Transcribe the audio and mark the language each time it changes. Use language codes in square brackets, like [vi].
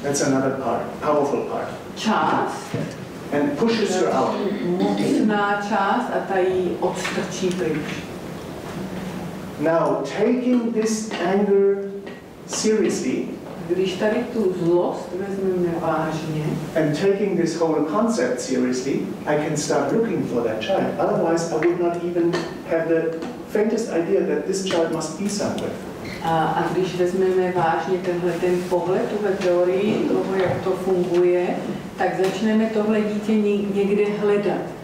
[en] That's another part, powerful part. [cs] Část. [en] And pushes her out. [cs] Mocná část a ta ji odstrčí pryč. [en] Now, taking this anger seriously, [cs] když tady tu zlost vezmeme vážně, [en] and taking this whole concept seriously, I can start looking for that child. Otherwise, I would not even have the faintest idea that this child must be somewhere. [cs] A když vezmeme vážně tenhle ten pohled, tuhle teorii toho, jak to funguje, tak začneme tohle dítě někde hledat.